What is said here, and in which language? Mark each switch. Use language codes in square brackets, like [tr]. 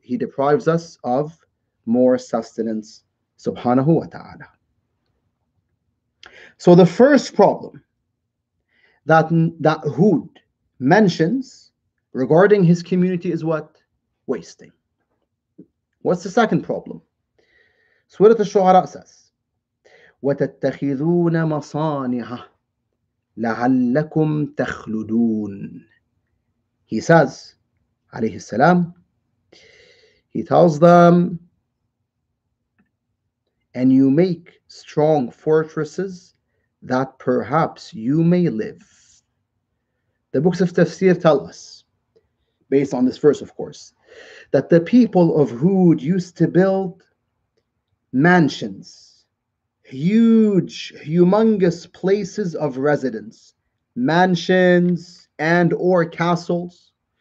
[en] He deprives us of more sustenance, subhanahu wa ta'ala. So the first problem that Hud mentions regarding his community is what? Wasting. What's the second problem? Surat Shu3araa says, [ar] وَتَتَّخِذُونَ مَصَانِعَ لَعَلَّكُمْ تَخْلُدُونَ. [en] He says, عليه السلام, he tells them, and you make strong fortresses that perhaps you may live. The books of Tafsir tell us, based on this verse, of course, that the people of Hud used to build mansions, huge, humongous places of residence, mansions and or castles.